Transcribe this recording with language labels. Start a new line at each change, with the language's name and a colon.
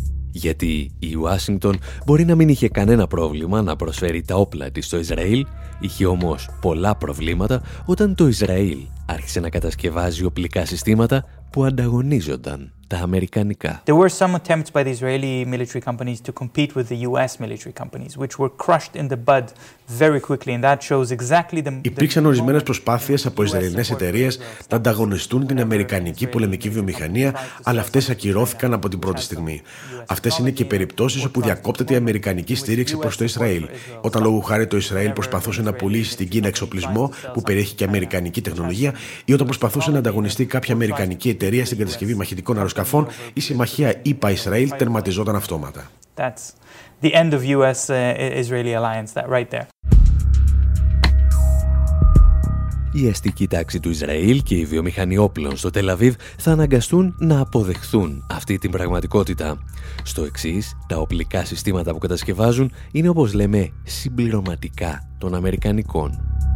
Greek: Γιατί η Ουάσιγκτον μπορεί να μην είχε κανένα πρόβλημα να προσφέρει τα όπλα της στο Ισραήλ, είχε όμως πολλά προβλήματα όταν το Ισραήλ άρχισε να κατασκευάζει οπλικά συστήματα που ανταγωνίζονταν τα αμερικανικά.
English: There were some attempts by the Israeli military companies to compete with the US military companies, which were crushed in the bud very quickly, and that shows exactly the.
Greek: Υπήρξαν ορισμένες προσπάθειες από Ισραηλινές εταιρείες να ανταγωνιστούν την αμερικανική πολεμική βιομηχανία, αλλά αυτές ακυρώθηκαν από την πρώτη στιγμή. Αυτές είναι και περιπτώσεις όπου διακόπτεται η αμερικανική στήριξη προς το Ισραήλ. Όταν λόγου χάρη το Ισραήλ προσπαθούσε να πουλήσει στην Κίνα εξοπλισμό που περιέχει και αμερικανική τεχνολογία, ή όταν προσπαθούσε να ανταγωνιστεί κάποια αμερικανική εταιρεία στην κατασκευή μαχητικών αεροσκαφών, η συμμαχία ΗΠΑ-Ισραήλ τερματιζόταν αυτόματα.
English: That's the end of US-Israeli alliance, right there.
Greek: Η αστική τάξη του Ισραήλ και οι βιομηχανοί όπλων στο Τελαβίβ θα αναγκαστούν να αποδεχθούν αυτή την πραγματικότητα. Στο εξής, τα οπλικά συστήματα που κατασκευάζουν είναι, όπως λέμε, συμπληρωματικά των Αμερικανικών.